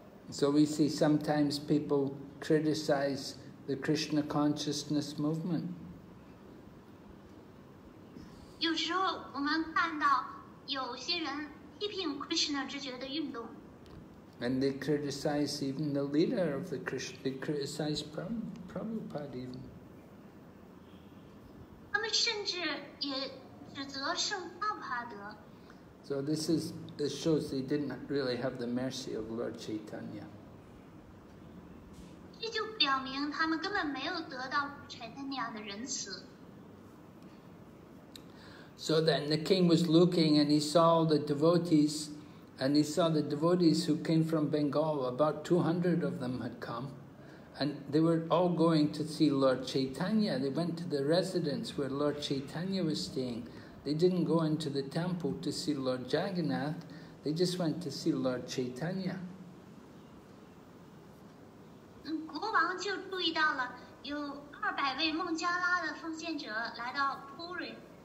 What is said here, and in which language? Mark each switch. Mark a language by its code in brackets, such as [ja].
[en] So we see sometimes people criticize the Krishna consciousness movement. [zh] 有时候我们看到有些人批评 Krishna 知觉的运动， [en] and they criticize even the leader of the Krishna, they criticize Prabhupada even. [zh] 他们甚至也指责圣帕帕德。 [en] So this shows they didn't really have the mercy of Lord Chaitanya. [zh] 这就表明他们根本没有得到 Chaitanya 的仁慈。 [en] So then the king was looking and he saw the devotees, and he saw the devotees who came from Bengal, about 200 of them had come, and they were all going to see Lord Chaitanya. They went to the residence where Lord Chaitanya was staying. They didn't go into the temple to see Lord Jagannath, they just went to see Lord Chaitanya. [zh] 国王就注意到了有200位孟加拉的奉献者来到 Puri.